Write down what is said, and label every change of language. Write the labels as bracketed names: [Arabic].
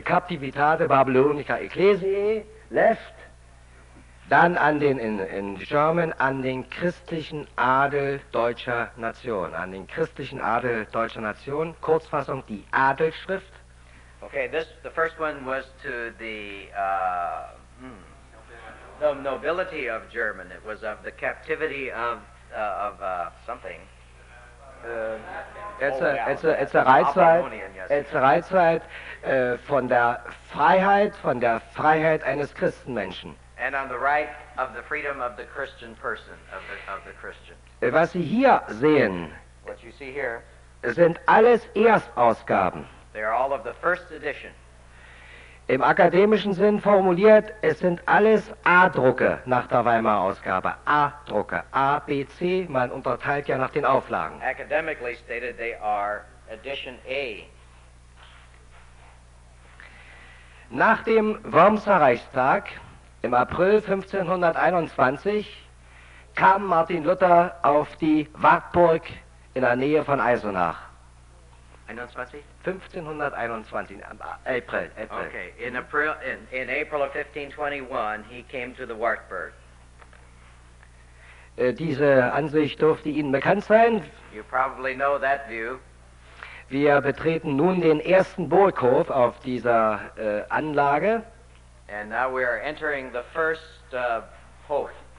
[German] Captivitate Babylonica Ecclesiae left dann an den in German an den christlichen Adel deutscher Nation, an den christlichen Adel deutscher Nation, Kurzfassung die Adelschrift. [English] Okay, the first one was to the nobility of German. It was of the captivity of something. [German] Etzer Reitzeit von der Freiheit eines Christenmenschen. [English] And on the right of the freedom of the Christian person, of the Christian. [German] Was Sie hier sehen, [English] what you see here, [German] sind alles Erstausgaben. [English] They are all of the first edition. [German] Im akademischen Sinn formuliert, es sind alles A-Drucke nach der Weimarer Ausgabe. A-Drucke, A, B, C, man unterteilt ja nach den Auflagen. [English] Academically stated, they are edition A. [German] Nach dem Wormser Reichstag im April 1521 kam Martin Luther auf die Wartburg in der Nähe von Eisenach. 1521 April. [English] Okay, in April of 1521 he came to the Wartburg. [German] Diese Ansicht dürfte Ihnen bekannt sein. [English] You probably know that view. [German] Wir betreten nun den ersten Burghof auf dieser Anlage. [English] And now we are entering the first hof.